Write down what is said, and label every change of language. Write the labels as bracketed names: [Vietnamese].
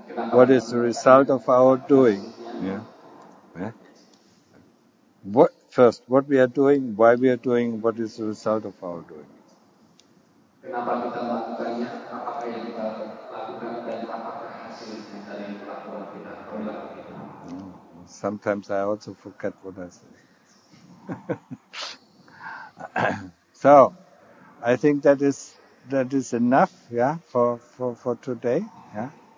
[Indonesian] Kenapa [English] what is the result of our doing? What? First, what we are doing, why we are doing, what is the result of our doing. [Indonesian] Kenapa kita melakukannya, apakah yang kita lakukan, dan apakah hasilnya dari perlakuan kita, perlakuan kita. [English] Sometimes I also forget what I say. So, I think that is enough, yeah, for today, yeah.